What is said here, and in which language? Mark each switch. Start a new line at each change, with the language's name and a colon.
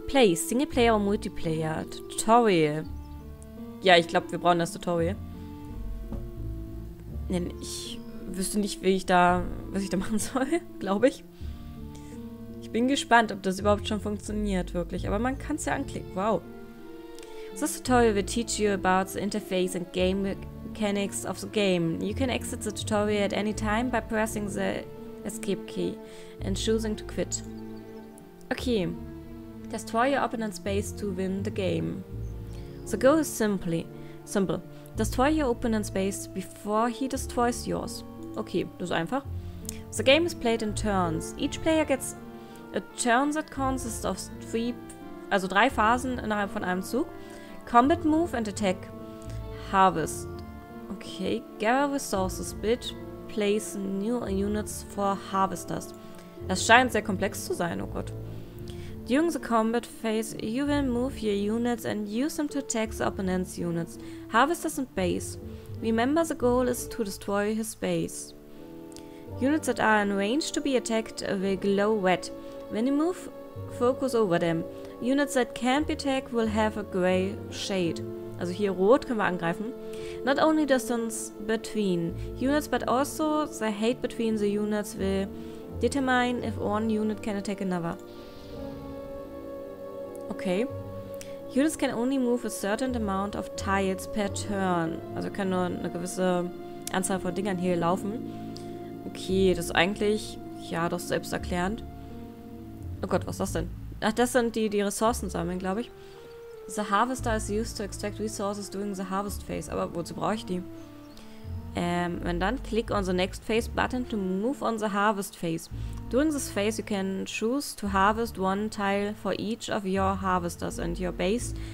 German: Play, Singleplayer oder Multiplayer? Tutorial. Ja, ich glaube, wir brauchen das Tutorial. Denn ich wüsste nicht, was ich da machen soll, glaube ich. Ich bin gespannt, ob das überhaupt schon funktioniert, wirklich. Aber man kann es ja anklicken. Wow.
English: This tutorial will teach you about the interface and game mechanics of the game. You can exit the tutorial at any time by pressing the escape key and choosing to quit. Okay. Destroy your opponent's space to win the game. The goal is simple. Destroy your opponent's base before he destroys yours. Okay,
German: das ist einfach.
English: The game is played in turns. Each player gets a turn that consists of
German: drei Phasen innerhalb von einem Zug.
English: Combat move and attack. Harvest. Okay, gather resources. Build, place new units for harvesters.
German: Das scheint sehr komplex zu sein, oh Gott.
English: During the combat phase, you will move your units and use them to attack the opponent's units. Harvesters and base. Remember, the goal is to destroy his base. Units that are in range to be attacked will glow red. When you move, focus over them. Units that can't be attacked will have a gray shade.
German: Also hier rot können wir angreifen.
English: Not only distance between units, but also the height between the units will determine if one unit can attack another. Okay. Units can only move a certain amount of tiles per turn.
German: Also kann nur eine gewisse Anzahl von Dingern hier laufen. Okay, das ist eigentlich, ja, doch selbsterklärend. Oh Gott, was ist das denn? Ach, das sind die Ressourcen sammeln, glaube ich.
English: The harvester is used to extract resources during the harvest phase.
German: Aber wozu brauche ich die?
English: And then click on the next phase button to move on the harvest phase. During this phase you can choose to harvest one tile for each of your harvesters and your base.